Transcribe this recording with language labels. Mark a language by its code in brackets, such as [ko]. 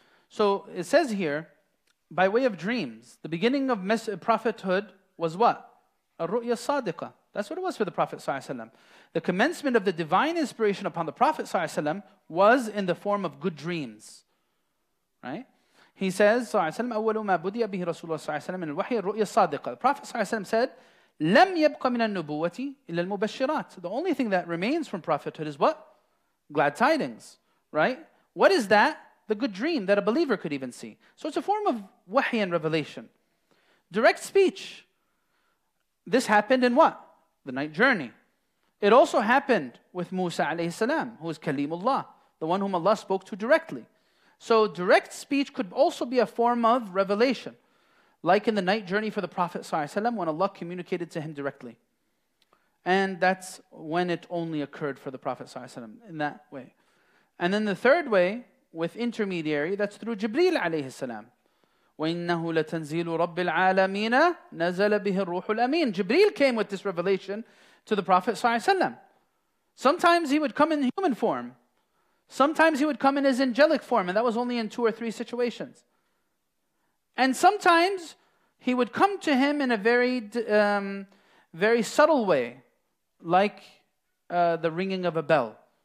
[en] So it says here, by way of dreams, the beginning of prophethood was what? Ar-ru'ya sadiqa. That's what it was for the Prophet ﷺ. The commencement of the divine inspiration upon the Prophet ﷺ was in the form of good dreams. Right? He says, [ar] ﷺ, أول ما بدي به رسول الله ﷺ من الوحي الرؤيا الصادقة. [en] The Prophet ﷺ said, [ar] لم يبق من النبوة إلا المبشرات. [en] The only thing that remains from prophethood is what? Glad tidings. Right? What is that? The good dream that a believer could even see. So it's a form of wahi and revelation. Direct speech. This happened in what? The night journey. It also happened with Musa alayhi salam, who is Kalimullah, the one whom Allah spoke to directly. So direct speech could also be a form of revelation, like in the night journey for the Prophet sallallahu alayhi salam, when Allah communicated to him directly. And that's when it only occurred for the Prophet sallallahu alayhi salam, in that way. And then the third way, with intermediary, that's through Jibreel alayhi salam. [ar] وَإِنَّهُ لَتَنْزِيلُ رَبِّ الْعَالَمِينَ نَزَلَ بِهِ الرُّوحُ الْأَمِينَ [en] Jibreel came with this revelation to the Prophet ﷺ. Sometimes he would come in human form. Sometimes he would come in his angelic form, and that was only in two or three situations. And sometimes he would come to him in a very very subtle way, like the ringing of a bell.